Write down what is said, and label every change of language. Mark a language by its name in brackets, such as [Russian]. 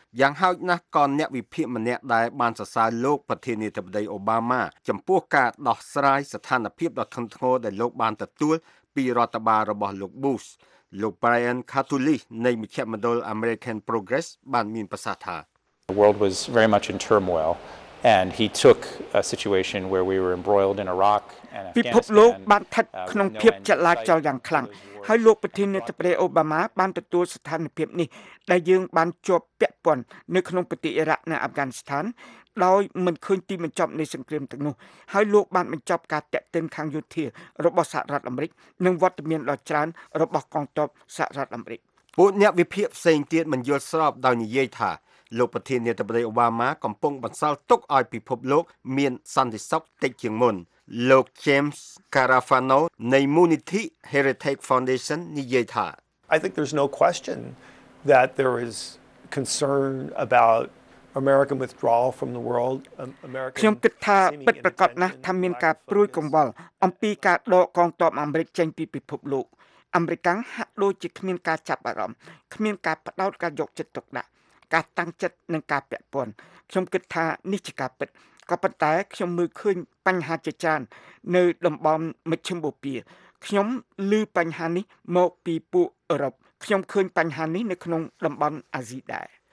[Khmer] យ៉ាងហោចណាស់ក៏អ្នកវិភាគម្នាក់ដែរបានសរសើរលោកប្រធានាធិបតីអូបាម៉ាចំពោះការដោះស្រាយស្ថានភាពដ៏ធ្ងន់ធ្ងរដែលលោកបានទទួលពីរដ្ឋបាលរបស់លោក Bush លោក Brian Katulis នៃមជ្ឈមណ្ឌល American Progress បានមានប្រសាសន៍ថា [English] The world was very much in turmoil and he took a situation where we were embroiled in Iraq and Afghanistan [Khmer] ពិភពលោកបានស្ថិតក្នុងភាពចលាចលយ៉ាងខ្លាំងហើយលោកប្រធានាធិបតីអូបាម៉ាបានទទួលស្ថានភាពនេះដែលយើងបានជួបពាក់ព័ន្ធនៅក្នុងប្រទេសអ៊ីរ៉ាក់និងអាហ្វហ្គានីស្ថានដោយមិនឃើញទីបញ្ចប់នៃសង្គ្រាមទាំងនោះហើយលោកបានបញ្ចប់ការតាក់ទិនខាងយោធារបស់សហរដ្ឋអាមេរិកនិងវត្តមានដ៏ច្រើនរបស់កងទ័ពសហរដ្ឋអាមេរិក ពួកអ្នកវិភាគផ្សេងទៀតមិនយល់ស្របដោយនិយាយថាលោកប្រធានាធិបតីអូបាម៉ាកំពុងបន្សល់ទុកឲ្យពិភពលោកមានសន្តិសុខតិចជាងមុនលោក James Carafano នៃ Munity Heritage Foundation និយាយថា [English] I think there's no question that there is concern about American withdrawal from the world [Khmer] America ខ្ញុំគិតថាពិតប្រាកដណាស់ថាមានការព្រួយកង្វល់អំពីការដកកងទ័ពអាមេរិកចេញពីពិភពលោកអាមេរិកហាក់ដូចជាគ្មានការចាប់អារម្មណ៍គ្មានការផ្ដោតការយកចិត្តទុកដាក់ការតាំងចិត្តនិងការពាក់ព័ន្ធខ្ញុំគិតថានេះជាការពិតក៏ប៉ុន្តែខ្ញុំមើលឃើញបញ្ហាជាច្រើននៅតំបន់មជ្ឈមបូព៌ាខ្ញុំឮបញ្ហានេះមកពីពួកអឺរ៉ុបខ្ញុំឃើញបញ្ហានេះនៅក្នុងតំបន់អាស៊ីដែរ